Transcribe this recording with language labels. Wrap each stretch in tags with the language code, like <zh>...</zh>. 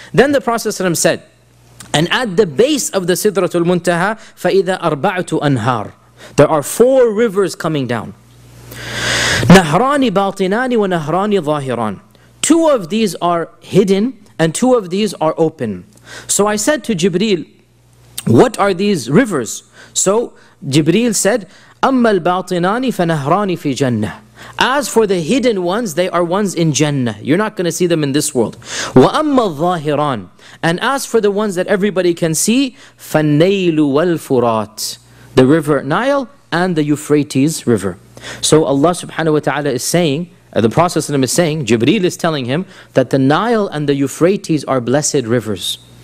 <en>Then the Prophet ﷺ said, and at the base of the Sidratul Muntaha,</en> <ar>فَإِذَا أَرْبَعْتُ أَنْهَارِ.</ar> <en>There are four rivers coming down.</en> <ar>نَهْرَانِ بَاطِنَانِ وَنَهْرَانِ ظَاهِرَانِ.</ar> <en>Two of these are hidden and two of these are open. So I said to Jibreel, what are these rivers? So Jibreel said,</en> <ar>أَمَّا الْبَاطِنَانِ فَنَهْرَانِ فِي جَنَّةِ.</ar> <en>As for the hidden ones, they are ones in Jannah. You're not going to see them in this world.</en> <ar>وَأَمَّا الظَّاهِرَانِ.</ar> <en>And as for the ones that everybody can see,</en> <ar>فَالنَّيْلُ وَالْفُرَاتِ.</ar> <en>The river Nile and the Euphrates River. So Allah subhanahu wa ta'ala is saying, the Prophet is saying, Jibreel is telling him, that the Nile and the Euphrates are blessed rivers.</en>